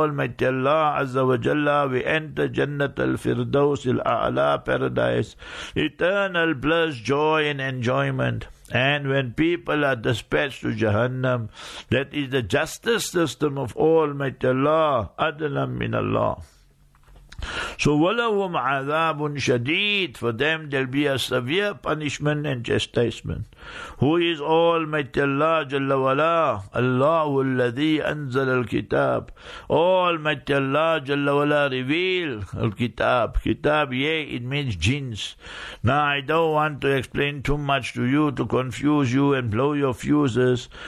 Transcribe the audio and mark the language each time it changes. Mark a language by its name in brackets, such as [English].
[English] Almighty Allah Azza wa Jalla, we enter Jannat al-Firdaus al-A'la, paradise, eternal bliss, joy and enjoyment. And when people are dispatched to Jahannam, that is the justice system of Almighty Allah, Adlam min Allah. So, [Arabic] وَلَهُمْ عَذَابٌ شَدِيدٌ. [English] For them, there'll be a severe punishment and chastisement. Who is Almighty Allah Jalla Wala? [Arabic] Allahu Alladhi Anzal Al-Kitab. [English] Almighty Allah Jalla Wala reveal Al-Kitab. Kitab, yeah, it means jinns. Now, I don't want to explain too much to you to confuse you and blow your fuses.